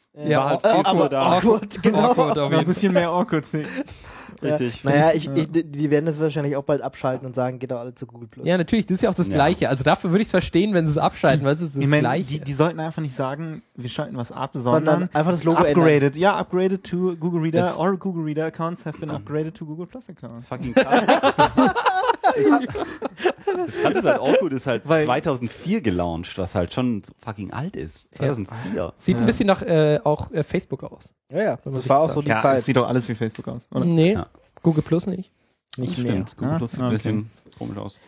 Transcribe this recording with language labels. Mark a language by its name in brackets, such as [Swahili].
[German] Ja, war halt viel früher da. Orkut, genau. Orkut, auf ein bisschen mehr Orkut. Richtig. Ja. Naja, die werden das wahrscheinlich auch bald abschalten und sagen, geht doch alle zu Google Plus. Ja, natürlich, das ist ja auch das Gleiche. Also dafür würde ich es verstehen, wenn sie es abschalten, weil es ist das Gleiche. Die sollten einfach nicht sagen, wir schalten was ab, sondern einfach das Logo [English] upgraded. [German] Ändern. [English] Ja, upgraded to Google Reader or Google Reader Accounts have been upgraded to Google Plus Accounts. [German] Das ist fucking krass. Das Ganze ist halt auch gut, ist halt 2004 gelauncht, was halt schon fucking alt ist. 2004. Ja. Sieht ein bisschen nach Facebook aus. Ja, das war auch so die Zeit. Das sieht doch alles wie Facebook aus, oder? Nee. Ja. Google Plus nicht. Nicht mehr. Stimmt, Google Plus sieht ein bisschen komisch aus.